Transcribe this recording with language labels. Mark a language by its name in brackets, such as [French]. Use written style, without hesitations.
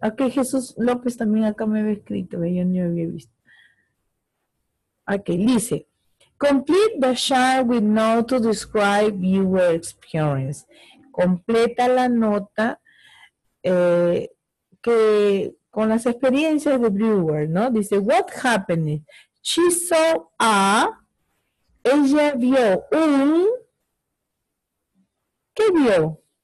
[Spanish] Ok, Jesús López también acá me había escrito, yo no había visto. [English] Ok, [Spanish] dice, [English] complete the chart with note to describe your experience. [Spanish] Completa la nota que con las experiencias de Brewer, ¿no? Dice, [English] what happened? She saw a, [Spanish] ella vio un, ¿qué vio?